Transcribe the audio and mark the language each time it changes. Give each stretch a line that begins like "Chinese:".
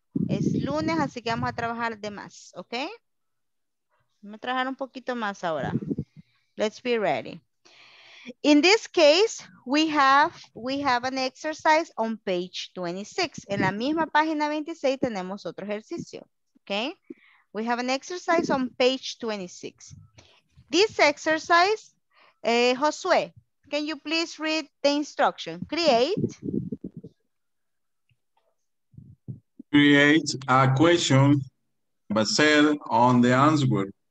Spanish: Es lunes, así que vamos a trabajar de más,
English: okay?
Spanish: Vamos a trabajar un poquito más ahora.
English: Let's be ready. In this case, we have an exercise on page 26.
Spanish: En la misma página 26 tenemos otro ejercicio, okay?
English: We have an exercise on page 26. This exercise, Josué, can you please read the instruction? Create a question based on the answer.